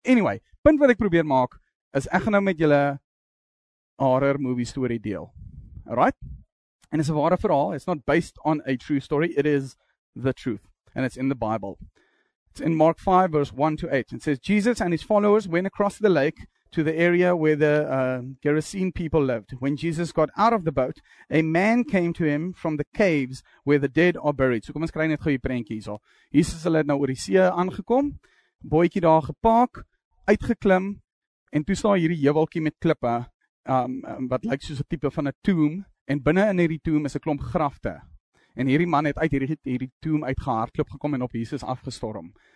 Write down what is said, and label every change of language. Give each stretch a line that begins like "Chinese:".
Afrikaans: Anyway, punt wat ek probeer maak, is ek gaan nou met julle horror movie story deel.
English: Alright?
Afrikaans: En dis 'n ware verhaal,
English: it's not based on a true story, it is the truth. And it's in the Bible. It's in Mark 5, verse 1 to 8. It says, Jesus and his followers went across the lake to the area where the Gerasene people lived. When Jesus got out of the boat, a man came to him from the caves where the dead are buried.
Afrikaans: So kom ons kry net goeie prentjie hierso. Jesus het nou oor die see aangekom, bootjie daar gepark, uitgeklim, en toe staan hierdie heuweltjie met klippe, wat lyk soos 'n tipe van 'n tomb, en binne in hierdie tomb is 'n klomp grafte. En hierdie man het uit hierdie tomb uitgehardloop gekom en op Jesus afgestorm.